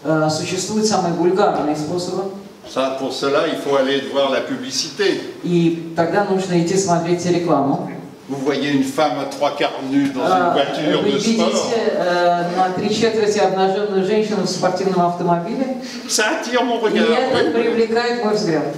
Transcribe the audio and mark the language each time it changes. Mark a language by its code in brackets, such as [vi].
[ru] Существуют самые вульгарные способы. [fr] Ça, pour cela, il faut aller voir la publicité. Et [ru] тогда нужно идти смотреть рекламу. [fr] Vous voyez une femme à trois quarts nue dans une voiture de sport. [ru] Вы видите на три четверти обнаженную женщину в спортивном автомобиле. [fr] Ça attire mon regard. [ru] И это привлекает мой взгляд.